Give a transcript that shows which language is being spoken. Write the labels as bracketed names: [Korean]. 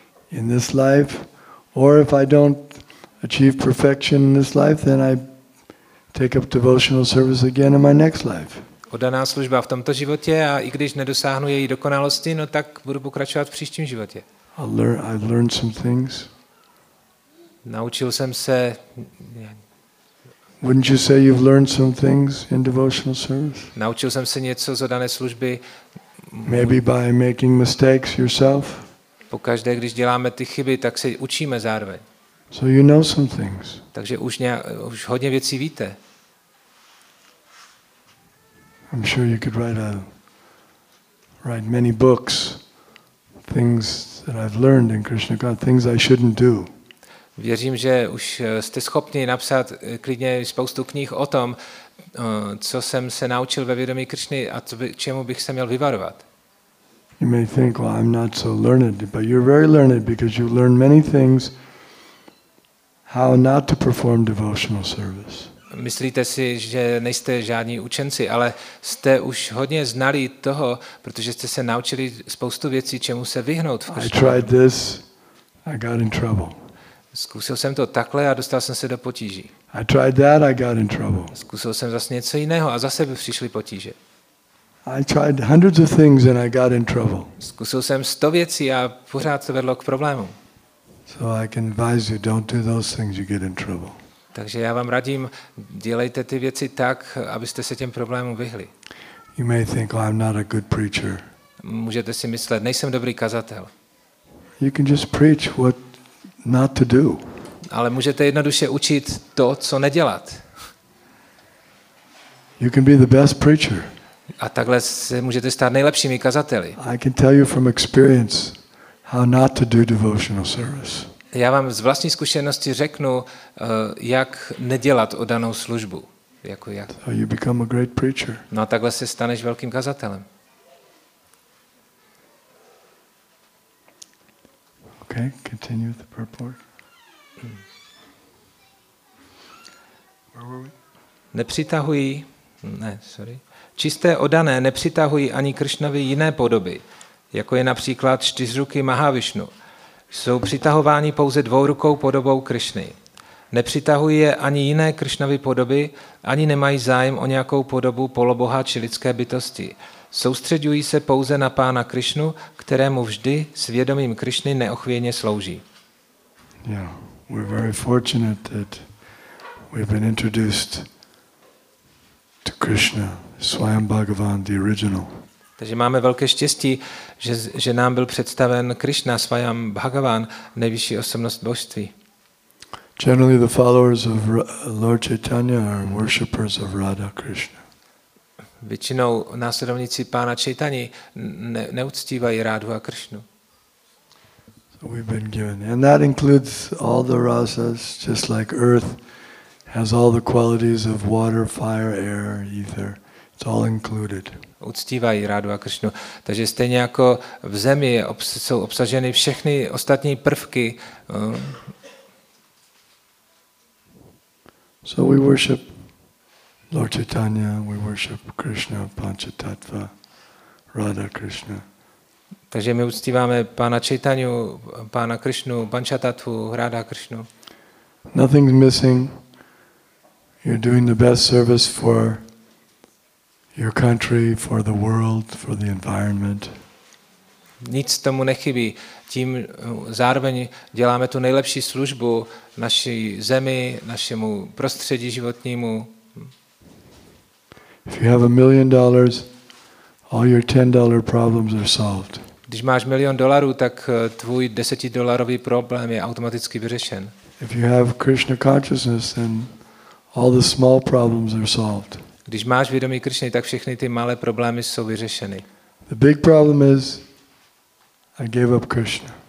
[English] In this life, or if I don't achieve perfection in this life, then I take up devotional service again in my next life. [Czech] Oddaná služba v tomto životě a i když nedosáhnu její dokonalosti, no tak budu pokračovat v příštím životě. [English] I've learned some things. [Czech] Naučil jsem se. [English] Wouldn't you say you've learned some things in devotional service? [Czech] Naučil jsem se něco z dané služby. [English] Maybe by making mistakes yourself. [Czech] Pokaždé, když děláme ty chyby, tak se učíme zároveň. [English] So you know some things. [Czech] Takže už hodně věcí víte. [English] I'm sure you could write many books, things that I've learned in Krishna consciousness, things I shouldn't do. [Czech] Věřím, že už jste schopni napsat klidně spoustu knih o tom, co jsem se naučil ve vědomí Krišny a čemu bych se měl vyvarovat. [English] You may think, well, I'm not so learned, but you're very learned because you've learned many things how not to perform devotional service. [Czech] Myslíte si, že nejste žádní učenci, ale jste už hodně znalí toho, protože jste se naučili spoustu věcí, čemu se vyhnout v Krišně. [English] I tried this, I got in trouble. [Czech] Zkusil jsem to takhle a dostal jsem se do potíží. [English] I tried that, I got in trouble. [Czech] Zkusil jsem zase něco jiného a zase by přišly potíže. [English] I tried hundreds of things and I got in trouble. [Czech] Zkusil jsem 100 věcí a pořád to vedlo k problému. [English] So I can advise you, don't do those things, you get in trouble. [Czech] Takže já vám radím, dělejte ty věci tak, abyste se těm problémům vyhli. [English] You may think, oh, I'm not a good preacher. [Czech] Můžete si myslet, nejsem dobrý kazatel. [English] You can just preach what not to do. [Czech] Ale můžete jednoduše učit to, co nedělat. [English] You can be the best preacher. [Czech] A takhle se můžete stát nejlepšími kazateli. [English] I can tell you from experience how not to do devotional service. [Czech] Já vám z vlastní zkušenosti řeknu, jak nedělat oddanou službu. Jako jak. [English] So you become a great preacher. [Czech] No a takhle se staneš velkým kazatelem. [English] Okay, continue with the purport. Where were we? [Czech] Nepřitahují, ne, sorry. Čisté oddané nepřitahují ani Krišnovi jiné podoby, jako je například čtyřruký Mahavišnu. Jsou přitahováni pouze dvourukou podobou Krišny. Nepřitahují je ani jiné Krišnovy podoby, ani nemají zájem o nějakou podobu poloboha či lidské bytosti. Soustředují se pouze na pána Krišnu, kterému vždy s vědomím Krišny neochvějně slouží. [English] Yeah, we're very fortunate that we've been introduced to Krishna, Swayam Bhagavan, the original. [Czech] Takže máme velké štěstí, že nám byl představen Krišna Svayam Bhagavan, nejvyšší osobnost božství. [English] Generally the followers of Lord Chaitanya are worshippers of Radha Krishna. [Czech] Většinou následovníci pána Chaitany neuctívají Radhu a Krishnu. [English] So we've been given, and that includes all the rasas, just like earth has all the qualities of water, fire, air, ether. It's all included. [Czech] Uctívají Radhu a Krišnu. Takže stejně jako v zemi jsou obsaženy všechny ostatní prvky. [English] So we worship Lord Chaitanya, we worship Krishna, Panchatattva, Radha Krishna. [Czech] Takže my uctíváme pána Chaitanyu, pána Krišnu, Panchatattvu, Radha Krishnu. [English] Nothing's missing. You're doing the best service for your country, for the world, for the environment. [Czech] Nic tomu nechybí. Tím zároveň děláme tu nejlepší službu naší zemi, našemu prostředí životnímu. [English] If you have $1,000,000, all your $10 problems are solved. [Czech] Když máš $1,000,000, tak tvůj $10 problém je automaticky vyřešen. [English] If you have Krishna consciousness, then All the small problems are solved. [Czech] Když máš vědomí Krišny, tak všechny ty malé problémy jsou vyřešeny. [English] The big problem is I gave up Krishna.